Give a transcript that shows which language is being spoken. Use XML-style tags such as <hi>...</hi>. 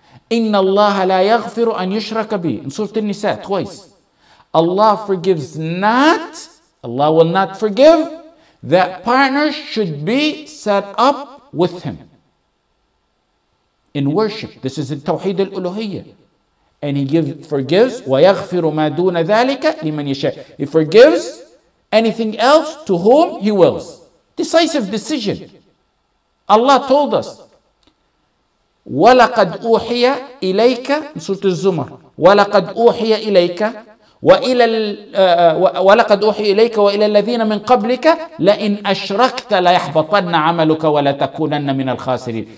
<ar>إِنَّ اللَّهَ لَا يَغْفِرُ أَنْ يُشْرَكَ بِهِ.</ar> <en>In Surah An-Nisa, twice. Allah forgives not, Allah will not forgive, that partners should be set up with him in worship. This is in Tawheed al-Uluhiyyah. And he forgives,</en> <ar>وَيَغْفِرُ مَا دُونَ ذَلِكَ لِمَنْ يَشَاءُ.</ar> <en>He forgives anything else to whom he wills. Decisive decision. Allah told us,</en> <ar>وَلَقَدْ أُوحِيَ إِلَيْكَ. Surah Az-Zumar. وَلَقَدْ أُوحِيَ إِلَيْكَ وَلَقَدْ أُوحِي إِلَيْكَ وَإِلَى الَّذِينَ مِنْ قَبْلِكَ لَإِنْ أَشْرَكْتَ لَيَحْبَطَنَّ عَمَلُكَ وَلَتَكُونَنَّ مِنَ الْخَاسِرِينَ.</ar>